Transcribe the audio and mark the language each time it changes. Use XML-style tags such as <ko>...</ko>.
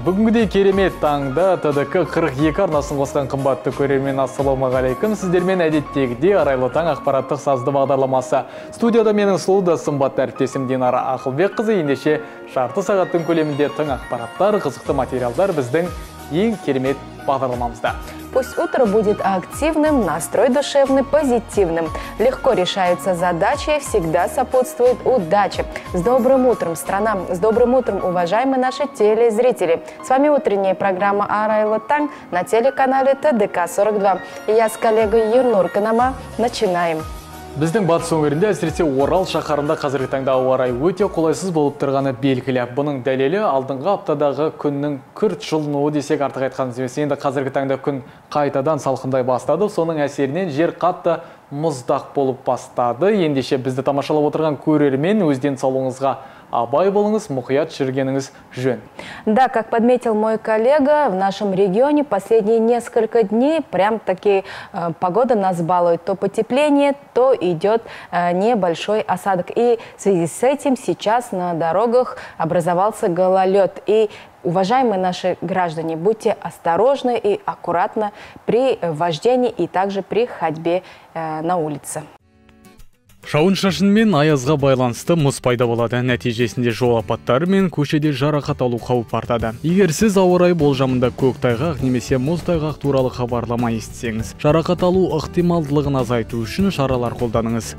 <kk>Бүгінгіде керемет таңда ТДК 42 арнасын қосқан қымбатты көрермен, ассалаумағалейкім, сіздермен әдеттегіде арайлы таң ақпараттық сазды бағдарламасы. Студияда менің сұлу да сымбатты әріптесім Динара Ақылбекқызы. Ендеше жарты сағаттың көлемінде тың ақпараттар, қызықты материалдар біздің ең керемет бағдарламамызда.</kk> <ru>Пусть утро будет активным, настрой душевный, позитивным. Легко решаются задачи, всегда сопутствует удача. С добрым утром, страна! С добрым утром, уважаемые наши телезрители! С вами утренняя программа «Арайлы таң» на телеканале ТДК-42. Я с коллегой Юрнур Канама. Начинаем!</ru> <kk>Біздің батыс өңірінде, әсіресе Орал шаһарында қазіргі таңда ауа райы өте қолайсыз болып тұрғаны белгілі. Бұның дәлелі алдыңғы аптадағы күннің күрт жылынуы десек артық айтқанымыз емес. Енді қазіргі таңда күн қайтадан салқындай бастады. Соның әсерінен жер қатты мұздақ болып бастады. Ендеше бізді тамашалап отырған көрермен, өз денсаулығыңызға абай болыңыз, мұқият жүргеніңіз жөн.</kk> <ru>Да, как подметил мой коллега, в нашем регионе последние несколько дней прям-таки погода нас балует. То потепление, то идет небольшой осадок. И в связи с этим сейчас на дорогах образовался гололед. И, уважаемые наши граждане, будьте осторожны и аккуратны при вождении и также при ходьбе на улице.</ru> <kk>Шауын-шашын мен аязға байланысты мұз пайда болады. Нәтижесінде жол апаттары мен көшеде жарақат алу қауіп артады. Егер сіз ауа-рай болжамында көктайғақ немесе мұзтайғақ туралы хабарлама естісеңіз, жарақат алу ықтималдылығын азайту үшін шаралар қолданыңыз.</kk>